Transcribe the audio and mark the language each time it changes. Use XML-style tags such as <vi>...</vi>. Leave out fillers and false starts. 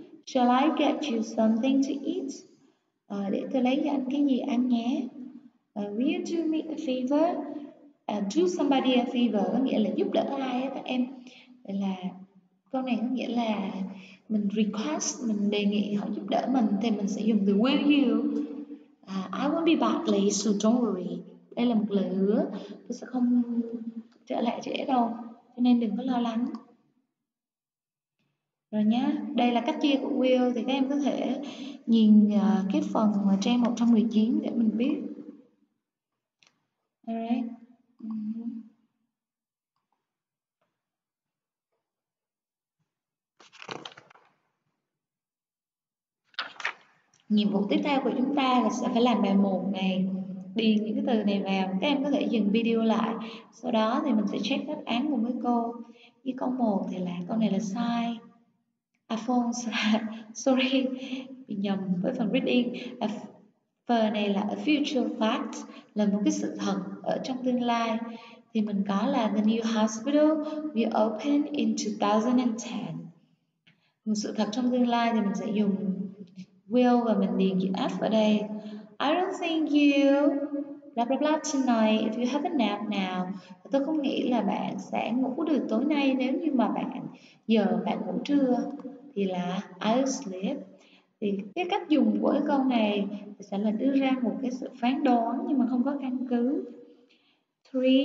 <en>Shall I get you something to eat?</en> <vi>Để tôi lấy cho anh cái gì ăn nhé.</vi> <en>Will you do me a favor? Do somebody a favor</en> <vi>có nghĩa là giúp đỡ ai các em. Vậy là câu này có nghĩa là mình request, mình đề nghị họ giúp đỡ mình thì mình sẽ dùng từ will you.</vi> <en>I won't be back late, so don't worry.</en> <vi>Đây là một lời hứa, tôi sẽ không trở lại trễ đâu, cho nên đừng có lo lắng. Rồi nhá, đây là cách chia của will, thì các em có thể nhìn cái phần trang 119 để mình biết.</vi> <en>Alright.</en> <vi>Nhiệm vụ tiếp theo của chúng ta là sẽ phải làm bài 1 này. Điền những cái từ này vào, các em có thể dừng video lại. Sau đó thì mình sẽ check đáp án cùng với cô. Như câu 1 thì là câu này là sai. Alphonse, sorry, bị nhầm với phần reading. Phần này là a future fact, là một cái sự thật ở trong tương lai. Thì mình có là</vi> <en>the new hospital will open in 2010.</en> <vi>Một sự thật trong tương lai thì mình sẽ dùng will và mình điền chữ F ở đây.</vi> <en>I don't think you blah blah blah tonight if you have a nap now.</en> <vi>Tôi không nghĩ là bạn sẽ ngủ được tối nay nếu như mà bạn giờ bạn ngủ trưa. Thì là I'll sleep. Thì cái cách dùng của cái câu này sẽ là đưa ra một cái sự phán đoán nhưng mà không có căn cứ. 3.</vi>